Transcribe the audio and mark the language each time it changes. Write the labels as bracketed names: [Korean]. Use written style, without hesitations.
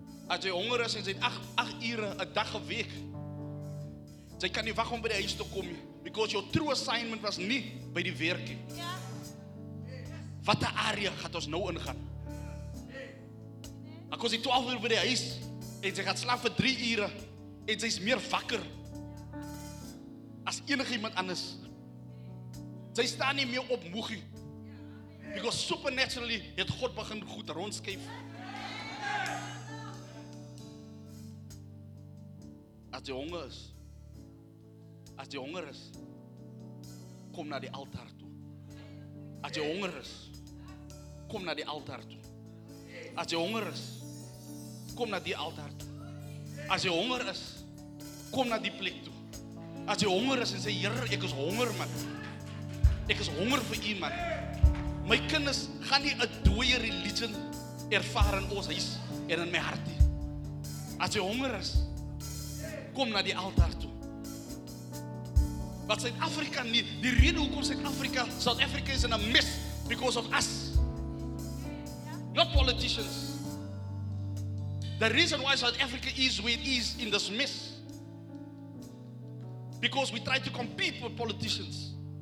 [Afrikaans] As jy honger is en jy 8 ure 'n dag geweek. Jy kan nie wag om by die huis te kom nie, because your true assignment was nie by die werk nie. Ja. Wat 'n area gaat ons nou ingaan? Ek was 12 uur by die huis en jy gaat slaap vir 3 ure en jy is meer wakker as enige iemand anders. Jy staan nie meer op moeg nie, because supernaturally het God begin goed rondskuif. As jy honger is, as jy honger is, kom na die altaar toe. As jy honger is, kom na die altaar toe. As jy honger is, kom na die altaar toe. As jy honger is, kom na die plek toe. As jy honger is en sê, Here, ek is honger, man. Ek is honger vir U, man. My kinders gaan nie 'n dooie religion ervaar in ons huis en in my hart nie. As jy honger is, kom na die altaar toe. [English] But South Africa need the reason why South Africa is in a mess because of us. Not politicians. The reason why South Africa is where it is in this mess. Because we try to compete with politicians.